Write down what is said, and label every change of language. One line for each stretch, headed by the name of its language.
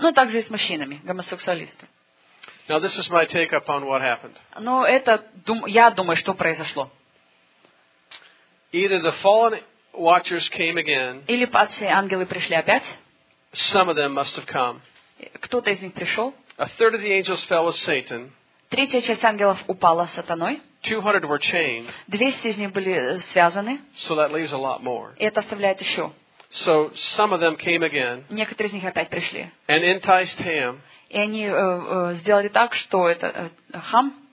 Russian: Но также и с мужчинами, гомосексуалисты.
English: Now this is my take upon what happened.
Russian: Но это я думаю, что произошло.
English: Either the fallen watchers came again.
Russian: Или падшие ангелы пришли опять.
English: Some of them must have come.
Russian: Кто-то из них пришел.
English: A third of the angels fell with Satan.
Russian: Третья часть ангелов упала с сатаной.
English: 200 were chained.
Russian: 200 из них были связаны.
English: So that leaves a lot more.
Russian: И это оставляет еще.
English: So some of them came again.
Russian: Некоторые из них опять пришли.
English: And enticed Ham.
Russian: И они сделали так, что это Хам.